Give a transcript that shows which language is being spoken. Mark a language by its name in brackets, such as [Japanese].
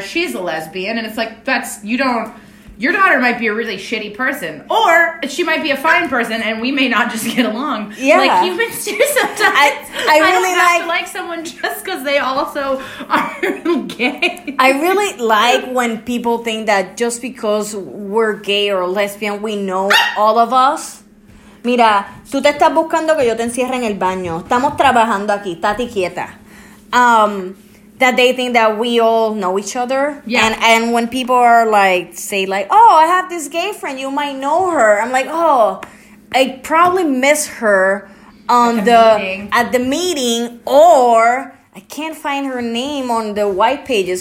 [English] She's a lesbian, and it's like Your daughter might be a really shitty person, or she might be a fine person, and we may not just get along. Yeah. Like, humans do sometimes. I don't have to like someone just because they also are gay. I really like when people think that just because we're gay or lesbian, we know all of us. [Spanish] Mira, tú te estás buscando que yo te encierre en el baño. Estamos trabajando aquí. Tati quieta. [English] That they think that we all know each other. Yeah. And when people are like, say like, oh, I have this gay friend, you might know her. I'm like, oh, I probably miss her at the meeting, or I can't find her name on the white pages.